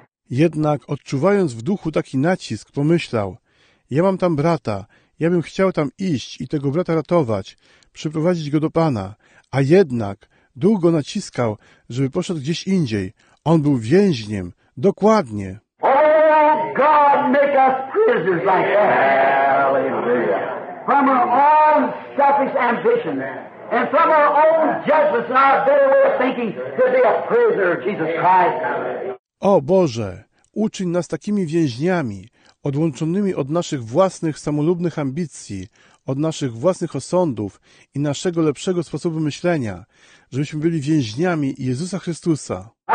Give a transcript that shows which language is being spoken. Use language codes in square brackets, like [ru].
[pl] Jednak odczuwając w duchu taki nacisk, pomyślał, ja mam tam brata, ja bym chciał tam iść i tego brata ratować, przyprowadzić go do Pana, a jednak duch go naciskał, żeby poszedł gdzieś indziej. On był więźniem, dokładnie. [en] Oh, God, make us prisoners like that. Hallelujah. From our own selfish ambition and from our own judgments and our better way of thinking to be a prisoner of Jesus Christ. [pl] O Boże, uczyń nas takimi więźniami, odłączonymi od naszych własnych samolubnych ambicji, od naszych własnych osądów i naszego lepszego sposobu myślenia, żebyśmy byli więźniami Jezusa Chrystusa.